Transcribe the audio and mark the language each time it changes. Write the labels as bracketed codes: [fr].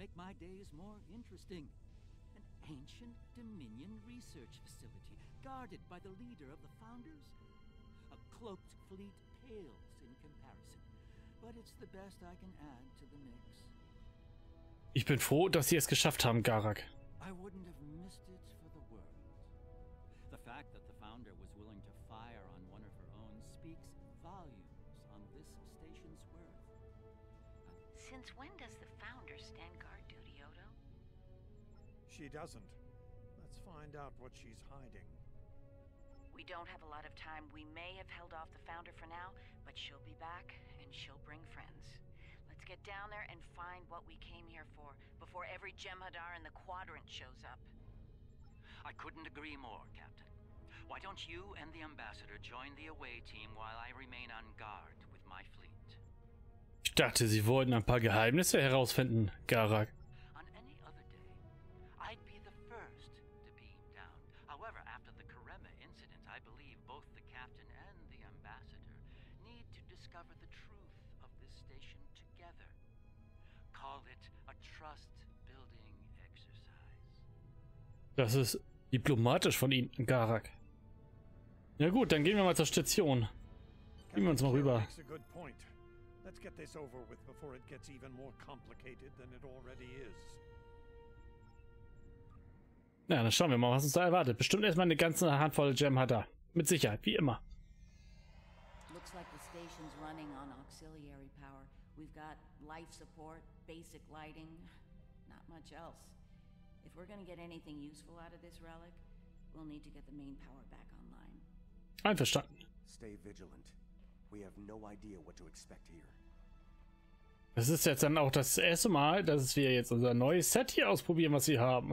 [en] An ancient Dominion research facility guarded by the leader of the Founders. A cloaked fleet pales in comparison, but it's the best I can add to the mix. [de] Ich bin froh, dass sie es geschafft haben, Garak. [en] I wouldn't have missed it for the world. The fact that the Founder was willing to fire on one of her own speaks volumes. On this station's worth. Since when does the Founder stand guard duty, Odo? She doesn't. Let's find out what she's hiding. We don't have a lot of time. We may have held off the Founder for now, but she'll be back and she'll bring friends. Let's get down there and find what we came here for before every Jem'Hadar in the Quadrant shows up. I couldn't agree more, Captain. Why don't you and the Ambassador join the away team while I remain on guard with my fleet? [de] Ich dachte, Sie wollten ein paar Geheimnisse herausfinden, Garak. [en] On any other day, I'd be the first to beam down. However, after the Karema incident, I believe both the Captain and the Ambassador need to discover the truth of this station together. Call it a trust-building exercise. [de] Das ist diplomatisch von Ihnen, Garak. Ja gut, dann gehen wir mal zur Station. Gehen wir uns mal rüber. [en] Let's get this over with before it gets even more complicated than it already is. [de] Na, dann schauen wir mal, was uns da erwartet. Bestimmt erstmal eine ganze Handvoll Gem hat er. Mit Sicherheit, wie immer. [en] Looks like the station's running on auxiliary power. We've got life support, basic lighting, not much else. If we're gonna get anything useful out of this relic, we'll need to get the main power back online. [de] Einverstanden. [en] Stay vigilant. We have no idea what to expect here. [de] Das ist jetzt dann auch das erste Mal, dass wir jetzt unser neues Set hier ausprobieren, was wir haben.